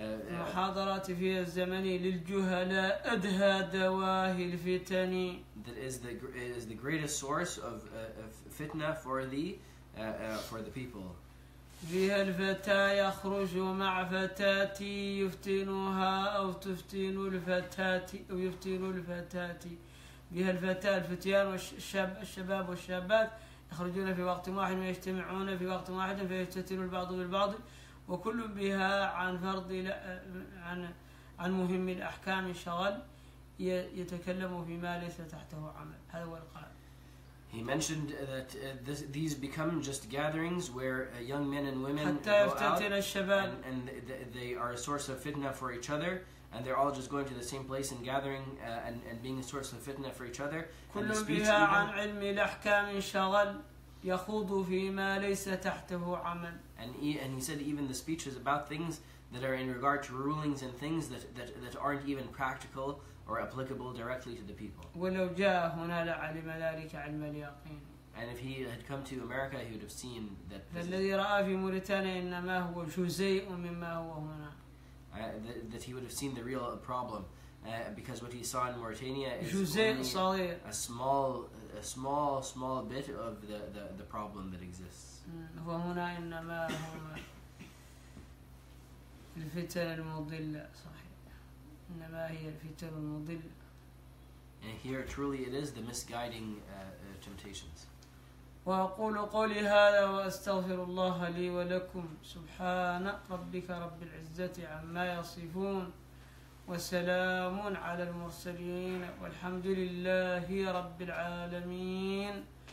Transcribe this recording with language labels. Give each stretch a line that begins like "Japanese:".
Arabic: محاضرات في الزمن للجهلاء أدهى دواهي الفتن.
English: That is the greatest source of fitna for the people.
Arabic: فيها الفتى يخرج مع فتاتي يفتنها أو تفتن الفتاتي أو يفتن الفتاتي. فيها الفتى الفتيان والشباب والشابات يخرجون في وقت واحد ويجتمعون في وقت واحد فيفتتن البعض بالبعض. وكل بها عن فرض عن مهم الأحكام شغل يتكلم فيما ليس تحته عمل. هذا هو القائل.
English: He mentioned that these become just gatherings where young men and women
Arabic: حتى يفتتن الشباب
English: and they are a source of fitna for each other, and they're all just going to the same place and gathering and being a source of fitna for each other.
Arabic: كل بها عن علم الأحكام شغل يخوض فيما ليس تحته عمل.
English: And he said even the speeches about things that are in regard to rulings and things that aren't even practical or applicable directly to the people.
Arabic: ولو جاء هنا لعلم ذلك علم اليقين.
English: And if he had come to America, he would have seen that.
Arabic: فالذي رأى في موريتانيا إنما هو جزيء مما هو هنا.
English: That he would have seen the real problem, because what he saw in Mauritania is
Arabic: جزيء
English: only
Arabic: صغير.
English: a small bit of the problem that exists.
Arabic: وهنا إنما هم الفتن المضلة صحيح إنما هي الفتن المضلة.
English: And here truly it is the misguiding temptations.
Arabic: وأقول قولي هذا وأستغفر الله لي ولكم سبحان ربك رب العزة عما يصفون وسلام على المرسلين والحمد لله رب العالمين.